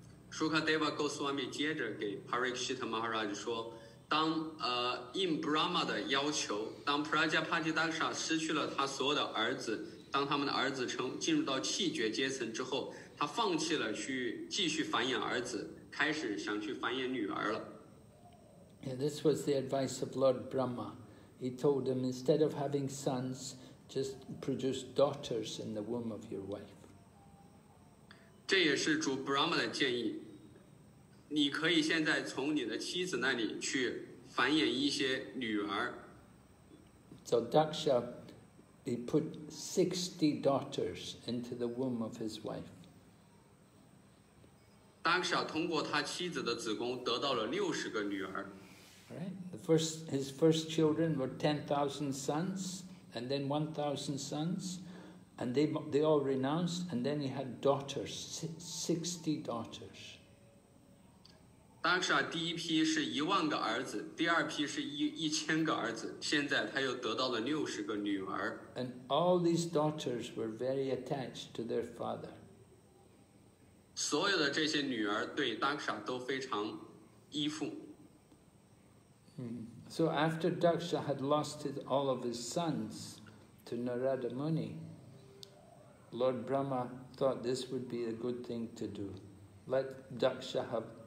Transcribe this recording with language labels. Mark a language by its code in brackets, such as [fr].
[zh] Sukadeva Goswami 接着给 Parikshit Maharaj 说，当应 Brahma 的要求，当 Prajapati Daksha 失去了他所有的儿子，当他们的儿子进入到气绝阶层之后，他放弃了去继续繁衍儿子，开始想去繁衍女儿了。 [en] Yeah, this was the advice of Lord Brahma. He told him, instead of having sons, just produce daughters in the womb of your wife. [zh] 这也是主 Brahma 的建议。你可以现在从你的妻子那里去繁衍一些女儿。 [en] So Daksha, he put 60 daughters into the womb of his wife. [zh] Daksha 通过他妻子的子宫得到了60个女儿。 [en] Right. His first children were 10,000 sons, and then 1,000 sons, and they all renounced, and then he had daughters, 60 daughters. [zh] Daksha 第一批是一万个儿子，第二批是一千个儿子，现在他又得到了60个女儿。 [en] And all these daughters were very attached to their father. [zh] 所有的这些女儿对 Daksha 都非常依附。 [en] So after Daksha had lost all of his sons to Narada Muni, Lord Brahma thought this would be a good thing to do. Let Daksha have